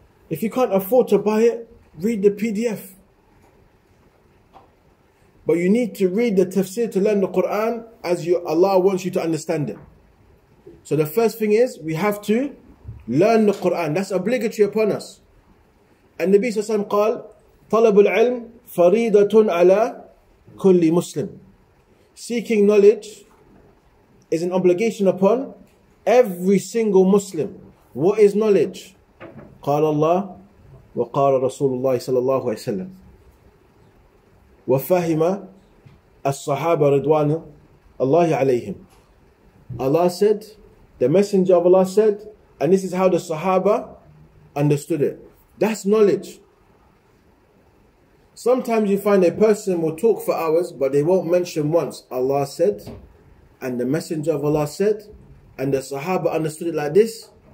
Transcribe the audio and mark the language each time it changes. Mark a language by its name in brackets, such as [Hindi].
[English] If you can't afford to buy it, read the PDF. But you need to read the tafsir to learn the Quran as Allah wants you to understand it. So the first thing is, we have to learn the Quran. That's obligatory upon us. [Arabic] And Nabi Sallallahu Alaihi Wasallam قال, طلب العلم فريضة على كل مسلم. [English] Seeking knowledge is an obligation upon every single Muslim. What is knowledge? [Arabic] قال الله وقال رسول الله صلى الله عليه وسلم وفهم الصحابة رضوان الله عليهم. [English] Allah said, the messenger of Allah said, and this is how the Sahaba understood it. That's knowledge. Sometimes you find a person will talk for hours, but they won't mention once Allah said, and the Messenger of Allah said, and the Sahaba understood it like this.